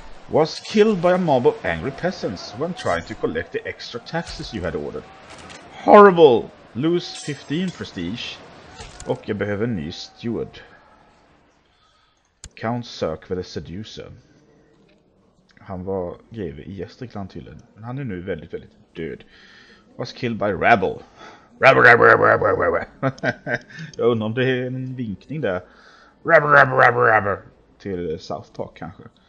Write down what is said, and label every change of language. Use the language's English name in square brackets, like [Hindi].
[English] Was killed by a mob of angry peasants when trying to collect the extra taxes you had ordered. Horrible! Lose 15 prestige. [Swedish] Och jag behöver en ny steward. [English] Count Sörkve the Seducer. [Swedish] Han var greve i Gästrikland tydligen. Men han är nu väldigt, väldigt död. [English] Was killed by rabble. [Swedish] Rabble. Jag undrar om det är en vinkning där. Rabble. Till South Park kanske.